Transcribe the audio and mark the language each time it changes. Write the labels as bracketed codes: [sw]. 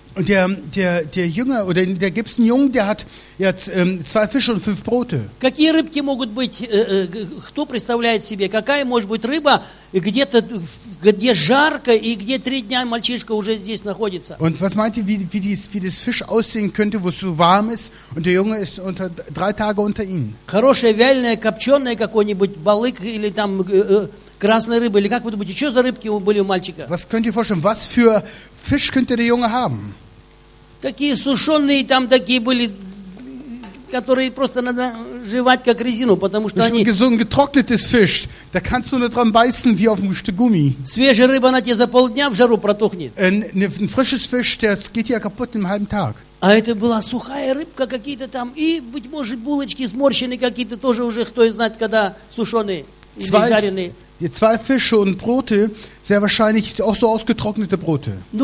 [de] Und der Jünger, oder der gibt es einen Jungen, der hat jetzt zwei Fische und fünf Brote. [ru] Какие рыбки могут быть, кто представляет себе, какая может быть рыба, где-то, где жарко и где три дня мальчишка уже здесь находится? [de] Und was meint ihr, wie das Fisch aussehen könnte, wo es so warm ist und der Junge ist unter drei Tage unter ihnen? [ru] Хорошее вяленое, копченое какой-нибудь балык или там... Красной рыбы или как вы думаете, что за рыбки были у мальчика? [de] Was könnt ihr vorstellen? Was für Fisch könnte der Junge haben? [ru] Такие сушеные там такие были, которые просто надо жевать как резину, потому что они. [de] So ein getrocknetes Fisch, da kannst du nur dran beißen wie auf einem Stück Gummi. [ru] Свежая рыба на тебе за полдня в жару протухнет. [de] Ein frisches Fisch, der geht ja kaputt in einem halben Tag. [ru] А это была сухая рыбка какие-то там и быть может булочки сморщенные какие-то тоже уже кто знает когда сушеные или жареные. [de] Zwei Fische und Brote, sehr wahrscheinlich auch so ausgetrocknete Brote.